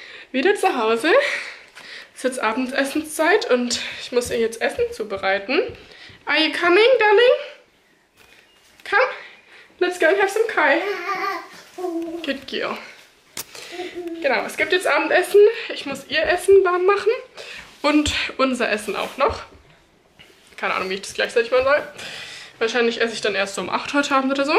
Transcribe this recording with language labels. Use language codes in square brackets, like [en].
[de] Wieder zu Hause. Es ist jetzt Abendessenszeit und ich muss ihr jetzt Essen zubereiten. [en] Are you coming, darling? Come, let's go and have some Kai. Good girl. [de] Genau, es gibt jetzt Abendessen. Ich muss ihr Essen warm machen und unser Essen auch noch. Keine Ahnung, wie ich das gleichzeitig machen soll. Wahrscheinlich esse ich dann erst so um 8 heute Abend oder so.